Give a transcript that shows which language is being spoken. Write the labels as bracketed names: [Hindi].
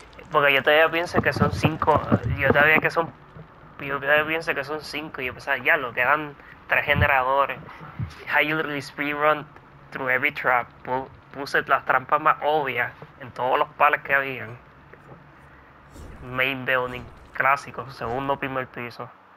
[Spanish] Porque yo todavía pienso que son cinco. Yo todavía pienso que son cinco. Y yo pensaba, ya lo quedan tres generadores. [English] How you literally speedrun through every trap. [Spanish] Puse las trampas más obvias en todos los palos que habían. [English] Main building, [Spanish] clásico, segundo primer piso.